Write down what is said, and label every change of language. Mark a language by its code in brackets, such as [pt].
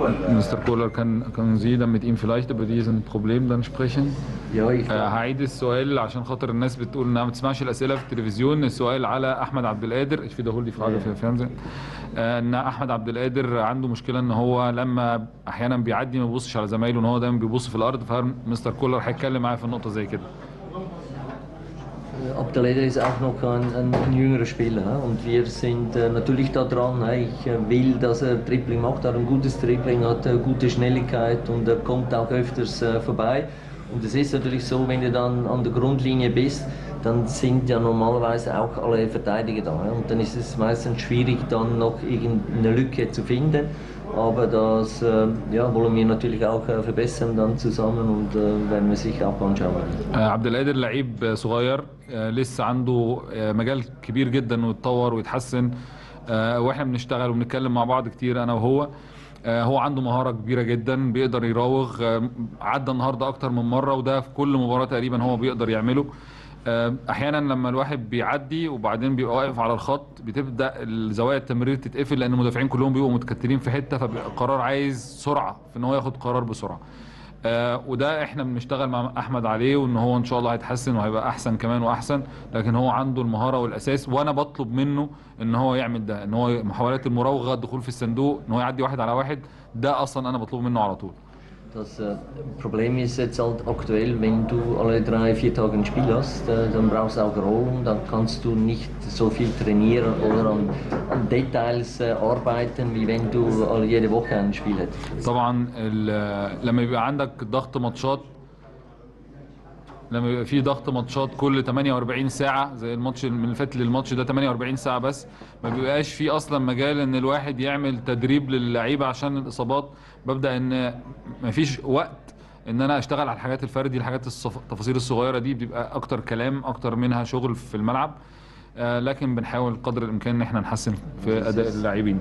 [de] Mr. Kohler, können Sie dann mit ihm vielleicht über diesen Problem dann sprechen? Ja, ich glaube. [ar] Heides Soel, عشان خاطر الناس بتقول انها ما تسمعش الاسئله في التلفزيون، السؤال على احمد عبد القادر. [de] Ich wiederhole die Frage für Fernsehen. [ar] ان احمد عبد القادر عنده مشكله ان هو لما احيانا بيعدي ما بيبصش على زمايله، ان هو دايما بيبص في الارض. فمستر كولر هيتكلم معاه في النقطه زي كده. [de] Abdelaziz ist auch noch ein jüngerer Spieler und wir sind natürlich da dran. Ich will, dass er Dribbling macht, hat ein gutes Dribbling, hat eine gute Schnelligkeit und er kommt auch öfters vorbei. Und es ist natürlich so, wenn du dann an der Grundlinie bist, dann sind ja normalerweise auch alle Verteidiger da. Und dann ist es meistens schwierig, dann noch irgendeine Lücke zu finden. Aber das ja, wollen wir natürlich auch verbessern dann zusammen und werden wir sicher auch anschauen. [ar] Abdelaziz لعيب صغير لسه عنده مجال كبير جدا انه يتطور ويتحسن، واحنا بنشتغل وبنتكلم مع بعض كتير انا وهو. هو عنده مهارة كبيرة جدا، بيقدر يراوغ، عدى النهاردة أكتر من مرة، وده في كل مباراة تقريبا هو بيقدر يعمله. احيانا لما الواحد بيعدي وبعدين بيبقى واقف على الخط بتبدا زوايا التمرير تتقفل لان المدافعين كلهم بيبقوا متكتلين في حته، فالقرار عايز سرعه في ان هو ياخد قرار بسرعه. وده احنا بنشتغل مع احمد عليه وان هو ان شاء الله هيتحسن وهيبقى احسن كمان واحسن، لكن هو عنده المهاره والاساس وانا بطلب منه ان هو يعمل ده، ان هو محاولات المراوغه الدخول في الصندوق ان هو يعدي واحد على واحد ده اصلا انا بطلبه منه على طول. [de] Das Problem ist jetzt halt aktuell, wenn du alle drei, vier Tage ein Spiel hast, dann brauchst du auch Raum, dann kannst du nicht so viel trainieren oder an Details arbeiten, wie wenn du jede Woche ein Spiel hättest. [ar] طبعا لما يبقى عندك ضغط ماتشات، لما يبقى في ضغط ماتشات كل 48 ساعة زي الماتش من اللي فات للماتش ده 48 ساعة بس، ما بيبقاش في أصلا مجال إن الواحد يعمل تدريب للعيبة عشان الإصابات. ببدأ إن ما فيش وقت إن أنا أشتغل على الحاجات الفردي، الحاجات التفاصيل الصغيرة دي بتبقى أكتر كلام أكتر منها شغل في الملعب، لكن بنحاول قدر الإمكان إن احنا نحسن في أداء اللاعبين.